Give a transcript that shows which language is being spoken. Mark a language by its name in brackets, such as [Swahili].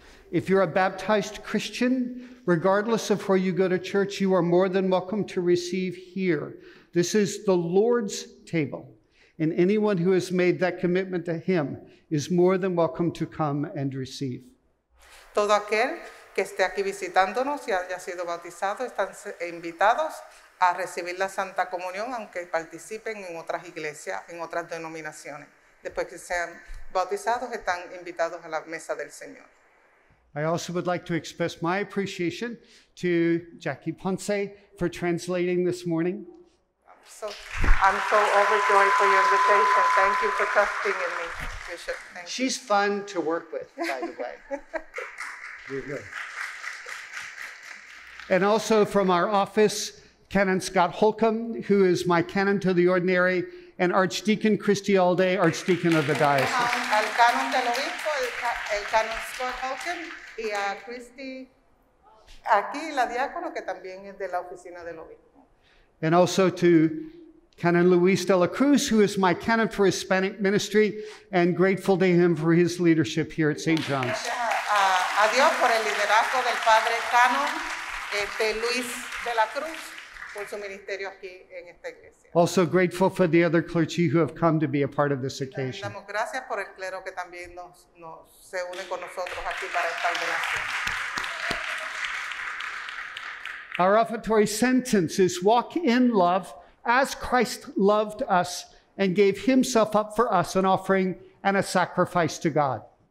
[English] If you're a baptized Christian, regardless of where you go to church, you are more than welcome to receive here. This is the Lord's table, and anyone who has made that commitment to him is more than welcome to come and receive. [Spanish] Todo aquel que esté aquí visitándonos y haya sido bautizado están invitados a recibir la Santa Comunión, aunque participen en otras iglesias, en otras denominaciones. Después que sean bautizados, están invitados a la mesa del Señor. [English] I also would like to express my appreciation to Jackie Ponce for translating this morning. I'm so overjoyed for your invitation. Thank you for trusting in me, Bishop. Thank She's you. Fun to work with, by the way. You're good. And also from our office, Canon Scott Holcomb, who is my canon to the ordinary, and Archdeacon Christy Alde, Archdeacon of the Diocese. [Spanish] Al canon del obispo, el canon Scott Holcomb. Y a Christy, aquí la diácono, que también es de la oficina del obispo. [English] And also to Canon Luis de la Cruz, who is my canon for Hispanic ministry, and grateful to him for his leadership here at St. John's. [Spanish] Gracias a Dios por el liderazgo del padre canon Luis de la Cruz por su ministerio aquí en esta iglesia. [English] Also grateful for the other clergy who have come to be a part of this occasion. [Spanish] Damos gracias por el clero que también nos se une con nosotros aquí para esta oración. [English] Our offertory sentence is walk in love as Christ loved us and gave himself up for us, an offering and a sacrifice to God.